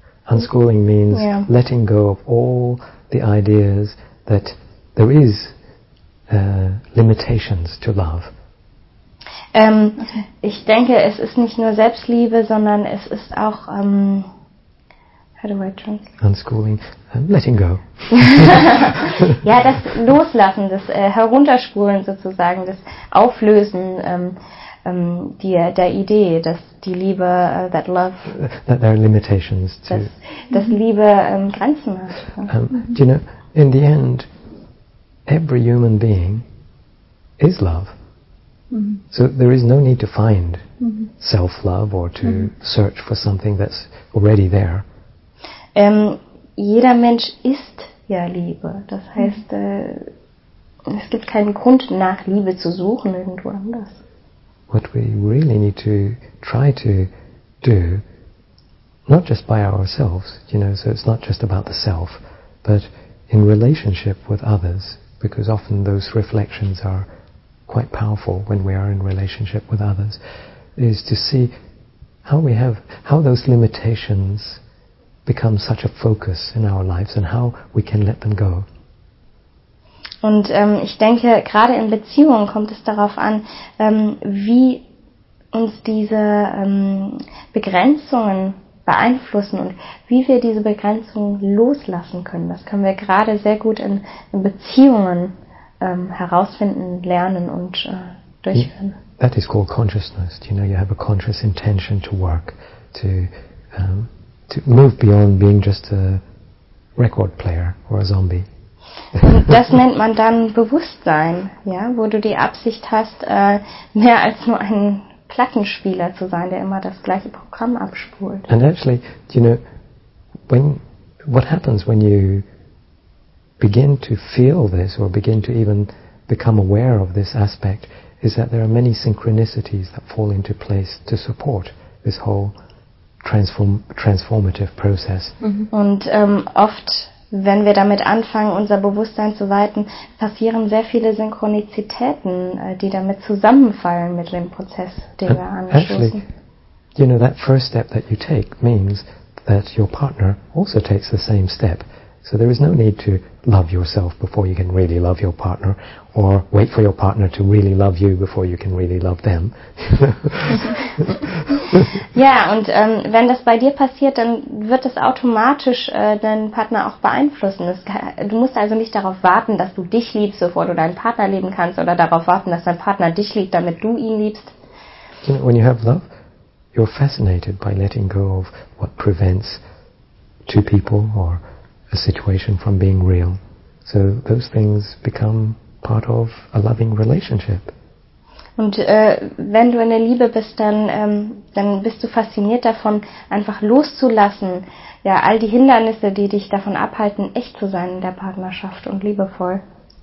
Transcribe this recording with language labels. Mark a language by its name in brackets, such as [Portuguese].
[English] Unschooling means letting go of all the ideas that there is limitations to love. Okay. [German] Ich denke, es ist nicht nur Selbstliebe, sondern es ist auch [English] unschooling, letting go. [German] Ja, das Loslassen, das Herunterspulen sozusagen, das Auflösen der Idee, dass die Liebe, [English] that love, that there are limitations to, [German] dass Liebe Grenzen hat. [English] Do you know, in the end, every human being is love. So there is no need to find self-love or to search for something that's already there. [German] Jeder Mensch ist ja Liebe. Das heißt, es gibt keinen Grund, nach Liebe zu suchen irgendwo anders. [English] What we really need to try to do, not just by ourselves, you know, so it's not just about the self, but in relationship with others, because often those reflections are quite powerful when we are in relationship with others, is to see how those limitations become such a focus in our lives and how we can let them go. [German] Und ich denke, gerade in Beziehungen kommt es darauf an, wie uns diese Begrenzungen beeinflussen und wie wir diese Begrenzungen loslassen können. Das können wir gerade sehr gut in Beziehungen herausfinden, lernen und durchführen. [English] That is called consciousness. You know, you have a conscious intention to work, to move beyond being just a record player or a zombie. [German] Das nennt man dann Bewusstsein, ja, wo du die Absicht hast, mehr als nur ein Plattenspieler zu sein, der immer das gleiche Programm abspult. [English] And actually, you know, what happens when you begin to feel this or begin to even become aware of this aspect is that there are many synchronicities that fall into place to support this whole transformative process. [German] Und oft, wenn wir damit anfangen, unser Bewusstsein zu weiten, passieren sehr viele Synchronizitäten, die damit zusammenfallen mit dem Prozess, den wir anstoßen. [English] Actually, you know, that first step that you take means that your partner also takes the same step. So there is no need to love yourself before you can really love your partner, or wait for your partner to really love you before you can really love them. [German] Ja, und wenn das bei dir passiert, dann wird das automatisch deinen Partner auch beeinflussen. Du musst also nicht darauf warten, dass du dich liebst, bevor du deinen Partner lieben kannst, oder darauf warten, dass dein Partner dich liebt, damit du ihn liebst. [English] You know, when you have love, you're fascinated by letting go of what prevents two people or a situation from being real. So those things become part of a loving relationship. [German] Und wenn du in der Liebe bist, dann bist du fasziniert davon, einfach loszulassen, ja, all die Hindernisse, die dich davon abhalten, echt zu sein in der Partnerschaft und liebevoll.